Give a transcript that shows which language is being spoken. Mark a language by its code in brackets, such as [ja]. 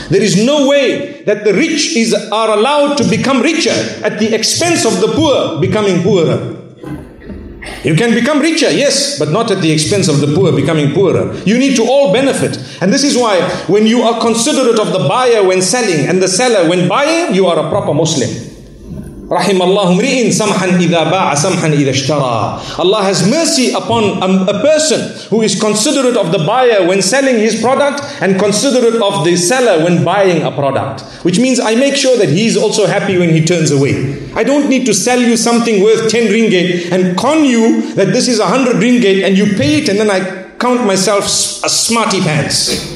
[en] There is no way that the rich are allowed to become richer at the expense of the poor becoming poorer. You can become richer, yes, but not at the expense of the poor becoming poorer. You need to all benefit. And this is why when you are considerate of the buyer when selling and the seller when buying, you are a proper Muslim. [ar] رحم الله امرئ سمحا إذا باع سمحا إذا اشترى. [en] Allah has mercy upon a person who is considerate of the buyer when selling his product and considerate of the seller when buying a product. Which means I make sure that he is also happy when he turns away. I don't need to sell you something worth 10 ringgit and con you that this is 100 ringgit and you pay it and then I count myself a smarty pants.